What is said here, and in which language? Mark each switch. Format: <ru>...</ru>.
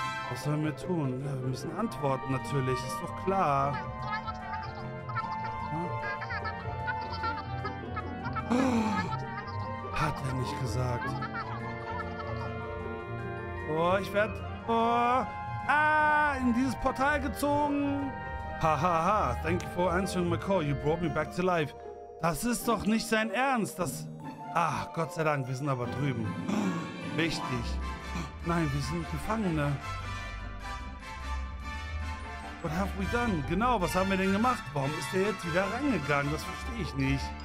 <de>Was sollen wir tun? Ja, wir müssen antworten, natürlich. Ist doch klar. Hat er nicht gesagt. Oh, ich werde... Oh, in dieses Portal gezogen.</de> <en>Hahaha, thank you for answering my call. You brought me back to life.</en> <de>Das ist doch nicht sein Ernst. Das... Ah, Gott sei Dank, wir sind aber drüben. Wichtig. Nein, wir sind Gefangene.</de> <en>What have we done?</en> <de>Genau, was haben wir denn gemacht? Warum ist der jetzt wieder reingegangen? Das verstehe ich nicht.</de>